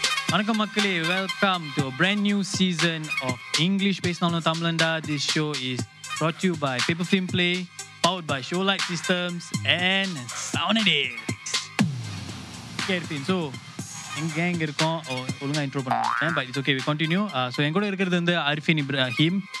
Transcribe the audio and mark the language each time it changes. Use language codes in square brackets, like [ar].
[ta] வணக்கம் மக்களே, [en] welcome to a brand new season of English [ta] பேசினாலும் தமிழண்டா. [en] This show is brought to you by Paper Film Play, powered by Showlight Systems and Soundedix. [ta] Okay, Irfin, so எங்கே எங்கே இருக்கோம் ஒழுங்காக intro பண்ணேன், [en] But it's okay, we continue. [ta] So என் கூட இருக்கிறது வந்து Arifin Ibrahim.